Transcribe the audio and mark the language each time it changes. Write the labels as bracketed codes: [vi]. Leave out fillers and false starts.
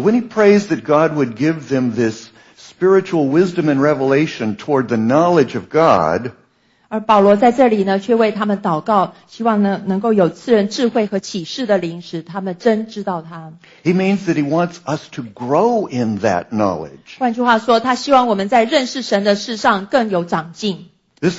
[en] when he prays that God would give them this spiritual wisdom and revelation toward the knowledge of God. [zh] 而保罗在这里呢，却为他们祷告，希望呢能够有赐人智慧和启示的灵，使他们真知道他。 [en] He means that he wants us to grow in that knowledge. [zh] 换句话说，他希望我们在认识神的事上更有长进。 [en] This